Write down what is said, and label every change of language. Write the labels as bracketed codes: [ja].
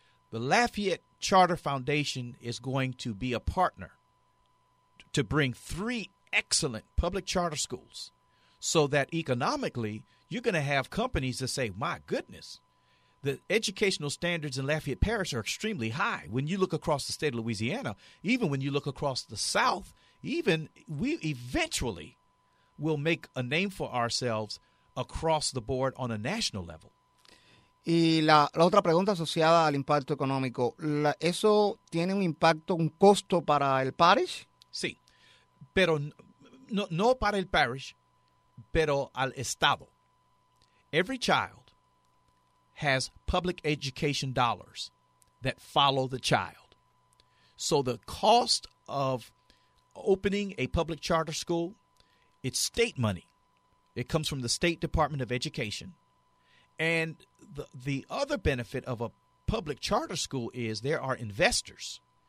[en] The Lafayette Charter Foundation is going to be a partner to bring three excellent public charter schools so that economically you're going to have companies that say, my goodness, the educational standards in Lafayette Parish are extremely high. When you look across the state of Louisiana, even when you look across the South, even we eventually will make a name for ourselves across the board on a national level. [es] Y la otra pregunta asociada al impacto económico, ¿eso tiene un impacto, un costo para el parish? Sí, pero no para el parish, pero al Estado. [en] Every child has public education dollars that follow the child. So the cost of opening a public charter school, it's state money. It comes from the State Department of Education. And the other benefit of a public charter school is there are investors.